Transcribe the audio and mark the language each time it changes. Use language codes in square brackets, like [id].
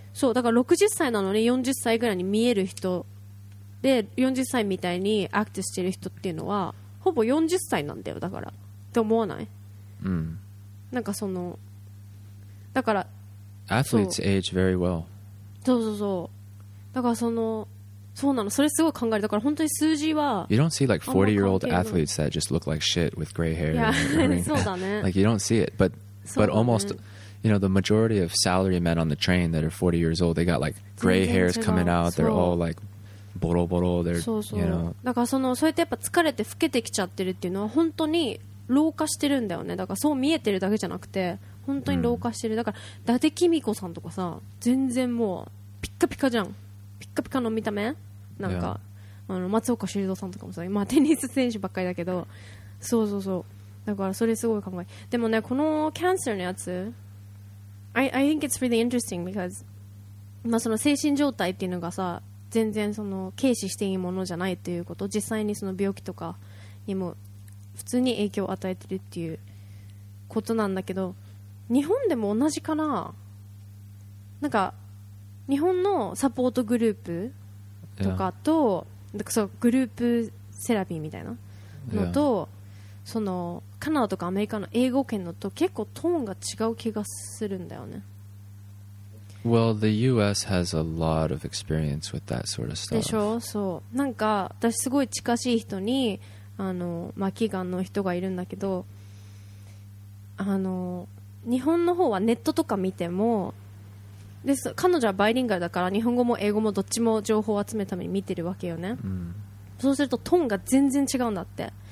[ja] そうだから60歳なのに40歳ぐらいに見える人で40歳みたいにアクティスしてる人っていうのはほぼ40歳なんだよ、だからって思わない？なんかそのだから [en] Athletes age very well. [ja] そうだからそのそうなの、それすごい考える。だから本当に数字は [en] You don't see like 40-year-old athletes that just look like shit with gray hair. [ja] Yeah, そうだね。 [en] Like you don't see it, but almost, you know, the majority of salary men on the train that are 40 years old, they got like gray hairs coming out. They're all like ボロボロ。They're you know. [ja] だからそのそうやってやっぱ疲れて老けてきちゃってるっていうのは本当に老化してるんだよね。だからそう見えてるだけじゃなくて本当に老化してる。だから伊達公子さんとかさ、全然もうピッカピカじゃん。ピッカピカの見た目なんか、あの松岡修造さんとかもさ、まあテニス選手ばっかりだけど、そうだからそれすごい考え。でもね、このキャンセルのやつ [en] I think it's really interesting because [ja] まあその精神状態っていうのがさ、全然その軽視していいものじゃないっていうこと、実際にその病気とかにも普通に影響を与えてるっていうことなんだけど、日本でも同じかな。なんか日本のサポートグループとかと、だからそうグループセラピーみたいなのと、そのカナダとかアメリカの英語圏のと結構トーンが違う気がするんだよね。 [en] Well, the US has a lot of experience with that sort of stuff. [ja] でしょ。そうなんか私すごい近しい人にあの、まあ、祈願の人がいるんだけど、あの日本の方はネットとか見ても、で彼女はバイリンガルだから日本語も英語もどっちも情報を集めるために見てるわけよね、そうするとトーンが全然違うんだって。